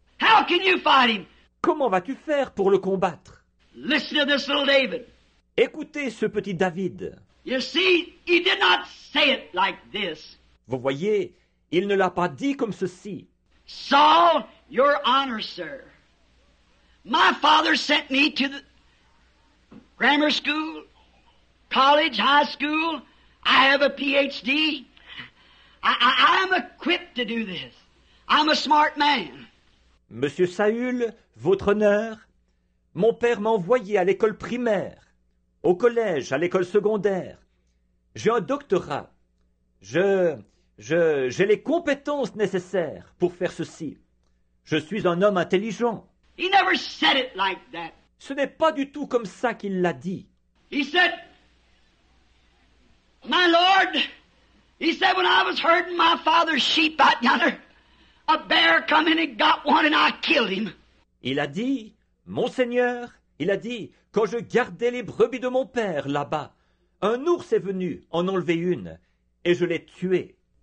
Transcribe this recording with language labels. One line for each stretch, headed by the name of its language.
English: How can you fight him?
French: Comment vas-tu faire pour le combattre?
English: Listen to this little David.
French: Écoutez ce petit David.
English: You see, he did not say it like this.
French: Vous voyez, il ne l'a pas dit comme ceci.
English: Saul, your honor, sir. My father sent me to the grammar school, college, high school. I have a PhD. I am equipped to do this. I'm a smart man.
French: Monsieur Saül, votre honneur, mon père m'a envoyé à l'école primaire, au collège, à l'école secondaire. J'ai un doctorat. J'ai les compétences nécessaires pour faire ceci. Je suis un homme intelligent.
English: He never said it like that.
French: Ce n'est pas du tout comme ça qu'il l'a dit.
English: He said, my Lord, he said, when I was herding my father's sheep out yonder, a bear come in and got one and I killed him.
French: Il a dit, mon Seigneur, il a dit, quand je gardais les brebis de mon père là-bas, un ours est venu en enlever une, et je l'ai tué.